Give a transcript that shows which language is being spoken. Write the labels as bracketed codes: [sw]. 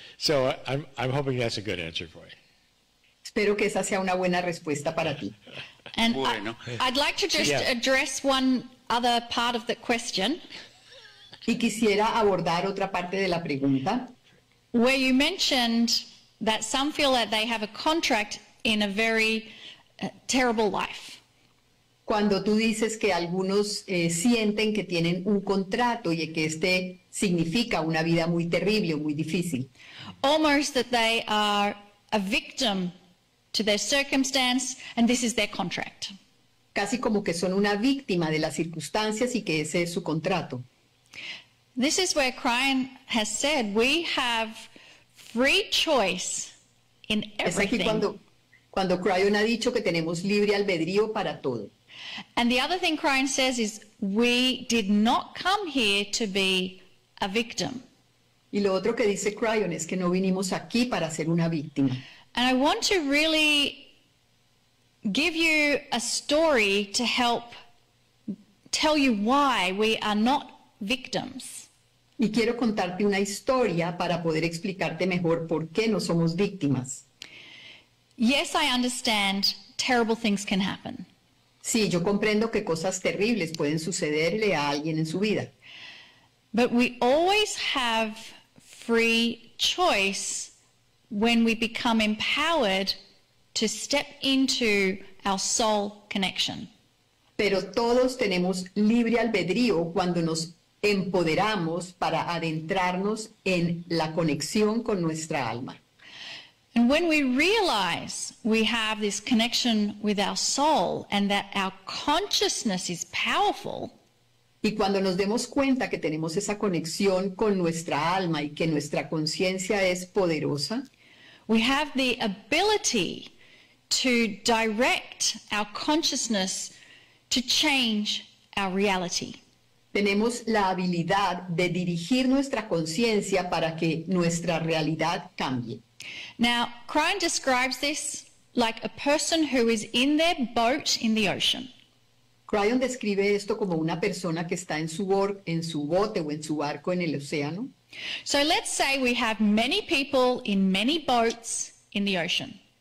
[en] So I'm hoping that's a good answer for you. [es] Espero que esa sea una buena respuesta para ti. [en] And bueno. I'd like to just address one other part of the question. [es] Y quisiera abordar otra parte de la pregunta. [en] Where you mentioned that some feel that they have a contract in a very terrible life. [es] Cuando tú dices que algunos sienten que tienen un contrato y que este significa una vida muy terrible o muy difícil. [en] Almost that they are a victim to their circumstance and this is their contract. [es] Casi como que son una víctima de las circunstancias y que ese es su contrato. [en] This is where Crian has said we have free choice in everything. [es] Es aquí cuando Crian ha dicho que tenemos libre albedrío para todo. [en] And the other thing Crian says is we did not come here to be a victim. [es] Y lo otro que dice Crian es que no vinimos aquí para ser una víctima. [en] And I want to really give you a story to help tell you why we are not victims. [es] Y quiero contarte una historia para poder explicarte mejor por qué no somos víctimas. [en] Yes, I understand terrible things can happen. [es] Sí, yo comprendo que cosas terribles pueden sucederle a alguien en su vida. [en] But we always have free choice when we become empowered to step into our soul connection. [es] Pero todos tenemos libre albedrío cuando nos empoderamos para adentrarnos en la conexión con nuestra alma. [en] And when we realize we have this connection with our soul and that our consciousness is powerful, [es] y cuando nos demos cuenta que tenemos esa conexión con nuestra alma y que nuestra conciencia es poderosa, [en] we have the ability to direct our consciousness to change our reality. [es] Tenemos la habilidad de dirigir nuestra conciencia para que nuestra realidad cambie. [en] Now, Crian describes this like a person who is in their boat in the ocean. [es] Crian describe esto como una persona que está en su bote o en su barco en el océano. [en] So let's say we have many people in many boats in the ocean.